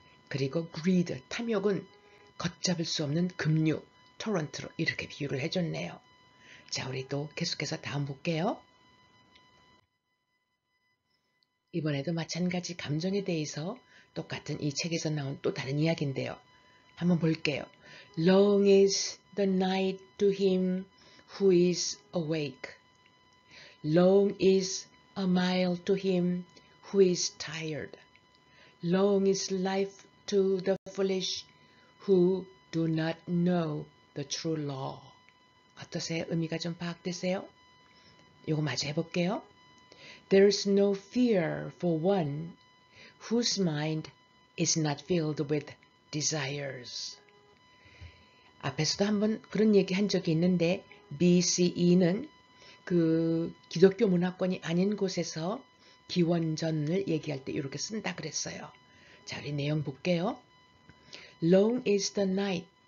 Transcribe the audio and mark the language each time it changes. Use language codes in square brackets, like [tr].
[ko] 그리고 greed, 탐욕은 걷잡을 수 없는 급류, torrent로 이렇게 비유를 해줬네요. 자, 우리 또 계속해서 다음 볼게요. 이번에도 마찬가지 감정에 대해서 똑같은 이 책에서 나온 또 다른 이야기인데요. 한번 볼게요. [en] Long is the night to him who is awake. Long is a mile to him who is tired. Long is life to the foolish who do not know the true law. [ko] 어떠세요? 의미가 좀 파악되세요? 이거 마저 해볼게요. [en] There's no fear for one whose mind is not filled with desires. [ko] 앞에서도 한번 그런 얘기 한 적이 있는데, BCE는 그 기독교 문화권이 아닌 곳에서 기원전을 얘기할 때 이렇게 쓴다 그랬어요. 자, 우리 내용 볼게요. [en] Long is the night.